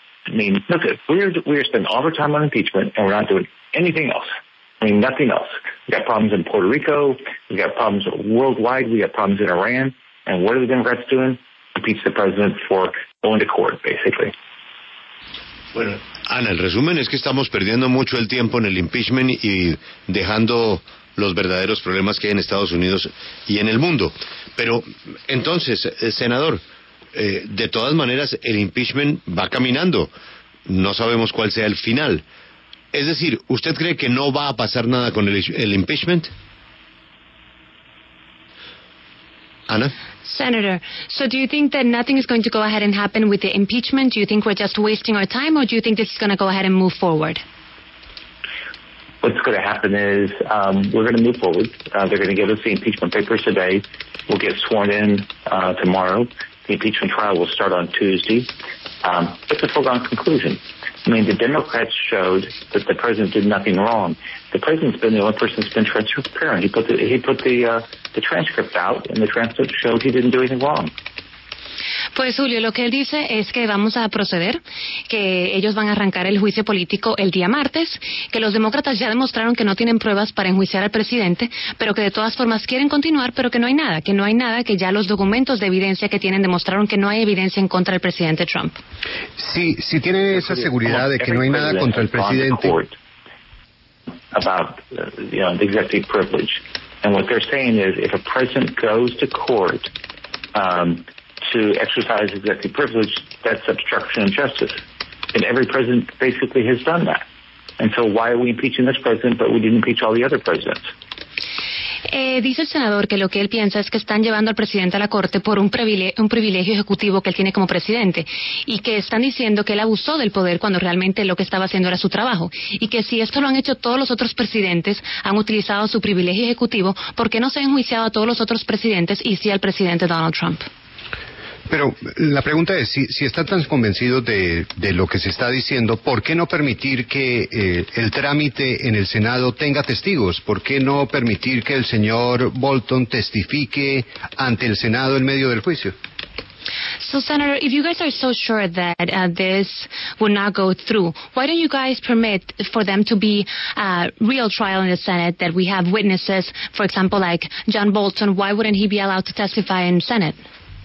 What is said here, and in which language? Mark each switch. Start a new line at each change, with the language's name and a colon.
English: I mean, look, we're spending all our time on impeachment and we're not doing anything else. I mean, nothing else. We got problems in Puerto Rico. We got problems worldwide. We got problems in Iran. And what are the Democrats doing? Impeach the president for going to court, basically.
Spanish: Bueno, Ana, el resumen es que estamos perdiendo mucho el tiempo en el impeachment y dejando los verdaderos problemas que hay en Estados Unidos y en el mundo. Pero entonces, senador, de todas maneras, el impeachment va caminando. No sabemos cuál sea el final. Es decir, ¿usted cree que no va a pasar nada con el impeachment? Ana.
English: Senator, so do you think that nothing is going to go ahead and happen with the impeachment? Do you think we're just wasting our time, or do you think this is going to go ahead and move forward? What's going to happen is we're going to move forward. They're going to give us the impeachment papers today. We'll get sworn in tomorrow. The impeachment trial will start on Tuesday. It's a foregone conclusion. I mean, the Democrats showed that the president did nothing wrong. The president's been the only person that's been transparent. He put the transcript out, and the transcript showed he didn't do anything wrong.
Spanish: Pues, Julio, lo que él dice es que vamos a proceder, que ellos van a arrancar el juicio político el día martes, que los demócratas ya demostraron que no tienen pruebas para enjuiciar al presidente, pero que de todas formas quieren continuar, pero que no hay nada, que no hay nada, que ya los documentos de evidencia que tienen demostraron que no hay evidencia en contra del presidente Trump. Sí, si tienen esa seguridad de que no hay nada contra el presidente.
English: About, the executive privilege. And what they're saying is, if a president goes to court, to exercise executive privilege, that's obstruction of justice. And every president basically has done that. And so why are we impeaching this president, but we didn't impeach all the other presidents?
Spanish: Dice el senador que lo que él piensa es que están llevando al presidente a la corte por un privilegio ejecutivo que él tiene como presidente y que están diciendo que él abusó del poder cuando realmente lo que estaba haciendo era su trabajo y que si esto lo han hecho todos los otros presidentes, han utilizado su privilegio ejecutivo, ¿por qué no se han enjuiciado a todos los otros presidentes y sí al presidente Donald Trump? Pero la pregunta es, si está tan convencido de lo que se está diciendo, ¿por qué no permitir que el trámite en el Senado tenga testigos? ¿Por qué no permitir que el señor Bolton testifique ante el Senado en medio del juicio?
English: So, Senator, if you guys are so sure that this will not go through, why don't you guys permit for them to be a real trial in the Senate, that we have witnesses, for example, like John Bolton, why wouldn't he be allowed to testify in Senate?